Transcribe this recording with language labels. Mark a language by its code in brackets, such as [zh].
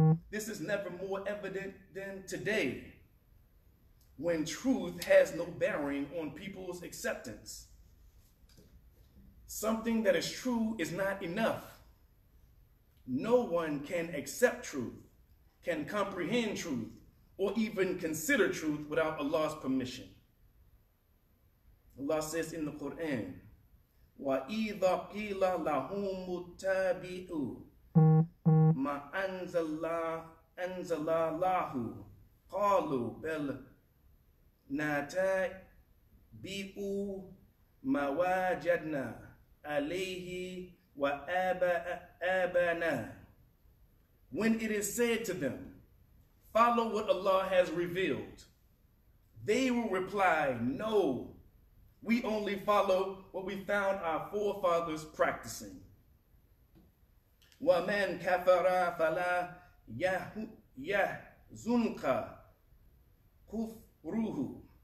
[en] This is never more evident than today, when truth has no bearing on people's acceptance. Something that is true is not enough. No one can accept truth, can comprehend truth, or even consider truth without Allah's permission. Allah says in the Quran, [ar] وَإِذَا قِيلَ لَهُمُ اتَّابِعُوا مَا أَنزَلَ اللَّهُ قَالُوا بَلْ نَتَّبِعُ مَا وَجَدْنَا عَلَيْهِ وَآبَاءَنَا. [en] When it is said to them, "Follow what Allah has revealed," they will reply, "No, we only follow what we found our forefathers practicing." [ar] وَمَنْ كَفَرَ فَلَا يَحْزُنْكَ كُفْرُهُ.